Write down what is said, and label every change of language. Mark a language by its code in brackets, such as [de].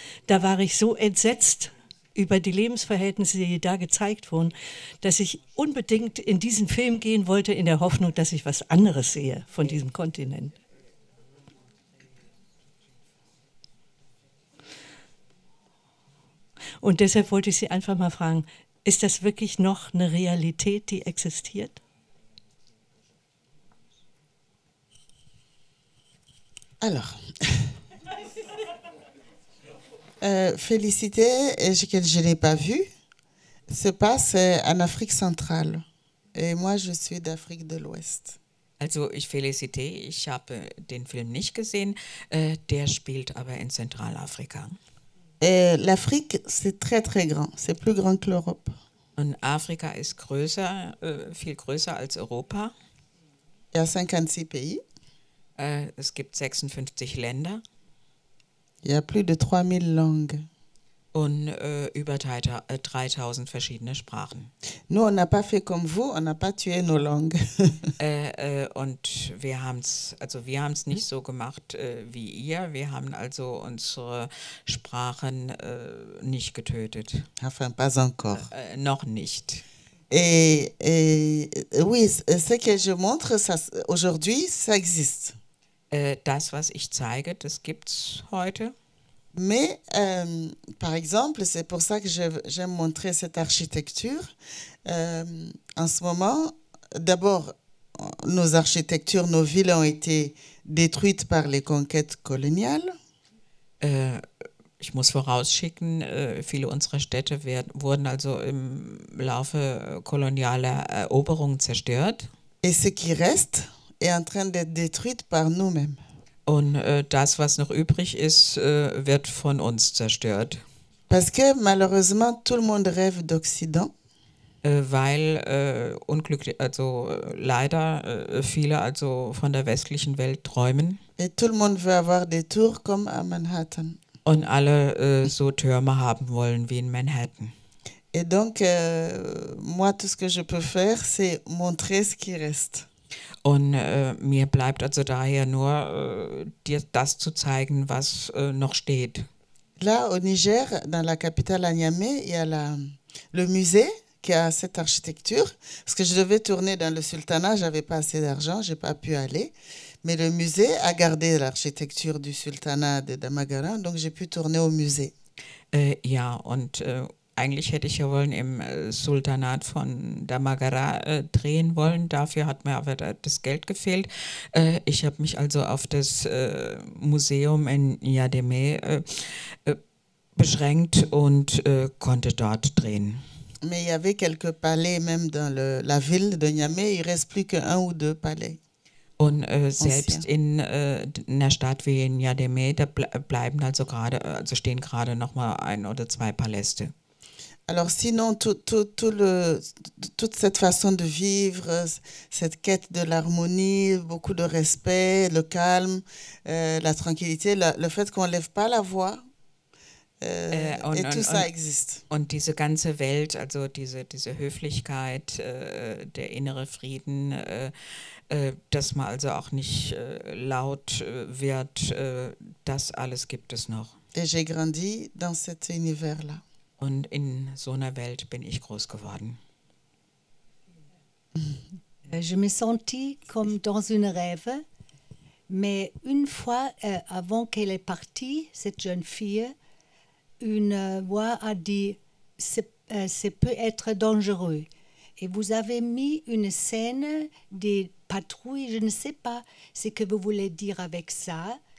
[de] Da war ich so entsetzt über die Lebensverhältnisse, die da gezeigt wurden, dass ich unbedingt in diesen Film gehen wollte, in der Hoffnung, dass ich was anderes sehe von diesem Kontinent. Und deshalb wollte ich Sie einfach mal fragen, ist das wirklich noch eine Realität, die existiert? [fr] Alors, Félicité, que je n'ai pas vue, se passe en Afrique centrale. Et moi, je suis d'Afrique de l'Ouest. [de] Also, Félicité, ich habe den Film nicht gesehen, der spielt aber in Zentralafrika. [fr] L'Afrique, c'est très, très grand. C'est plus grand que l'Europe. [de] Und Afrika ist größer, viel größer als Europa. [fr] Il y a 56 pays. [de] Es gibt 56 Länder. [fr] Il y a plus de 3000 langues. [de] Und über 3000 verschiedene Sprachen. [fr] Nous, on n'a pas fait comme vous, on n'a pas tué nos langues. [de] Und wir haben es, also wir haben es nicht so gemacht wie ihr. Wir haben also unsere Sprachen nicht getötet. [fr] Enfin, pas encore. [de] Noch nicht. [fr] Et oui, ce que je montre ça, aujourd'hui, ça existe. [de] Das, was ich zeige, das gibt's heute. [fr] Mais, par exemple, c'est pour ça que j'aime montrer cette architecture. En ce moment, d'abord, nos architectures, nos villes ont été détruites par les conquêtes coloniales. [de] Ich muss vorausschicken, viele unserer Städte wurden also im Laufe kolonialer Eroberung zerstört. [fr] Et ce qui reste est en train d'être détruite par nous-mêmes. [de] Und das, was noch übrig ist, wird von uns zerstört. [fr] Parce que malheureusement tout le monde rêve d'Occident. [de] Weil unglücklich, also leider viele also von der westlichen Welt träumen. [fr] Et tout le monde veut avoir des tours comme à Manhattan. [de] Und alle so Türme haben wollen wie in Manhattan. [fr] Et donc moi tout ce que je peux faire c'est montrer ce qui reste. [de] Und mir bleibt also daher nur, dir das zu zeigen, was noch steht. [fr] Là, au Niger, dans la capitale à Niamey, il y a le musée qui a cette architecture. Parce que je devais tourner dans le sultanat, je n'avais pas assez d'argent, je n'ai pas pu aller. Mais le musée a gardé l'architecture du sultanat de Damagara, donc j'ai pu tourner au musée. [de] Ja, und eigentlich hätte ich ja wollen im Sultanat von Damagara drehen wollen. Dafür hat mir aber das Geld gefehlt. Ich habe mich also auf das Museum in Niamey beschränkt und konnte dort drehen. [fr] Mais il y avait quelques palais même dans la ville de Niamey. Il reste plus que un ou deux palais. [de] Und selbst in einer Stadt wie in Niamey, da bleiben also gerade, also stehen gerade noch mal ein oder zwei Paläste. [fr] Alors sinon, toute cette façon de vivre, cette quête de l'harmonie, beaucoup de respect, le calme, la tranquillité, le fait qu'on ne lève pas la voix, ça existe. [de] Und diese ganze Welt, also diese Höflichkeit, der innere Frieden, dass man also auch nicht laut wird, das alles gibt es noch. [fr] Et j'ai grandi dans cet univers-là. [de] Und in so einer Welt bin ich groß geworden. [fr] Je me sentis comme dans un rêve, mais une fois avant qu'elle est partie, cette jeune fille, une voix a dit c'est peut être dangereux. Et vous avez mis une scène des patrouilles, je ne sais pas ce que vous voulez dire avec ça.